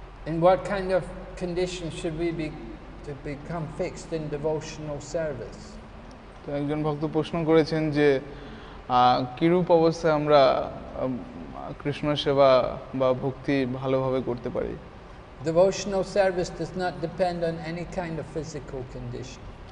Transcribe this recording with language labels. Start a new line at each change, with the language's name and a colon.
English: In what kind of condition should we be to become fixed in devotional service?
Bangla: তো একজন ভক্ত প্রশ্ন করেছেন যে কিরূপ অবস্থায় আমরা কৃষ্ণ সেবা বা ভক্তি ভালোভাবে করতে পারি?
English: Devotional service does not depend on any kind of physical condition.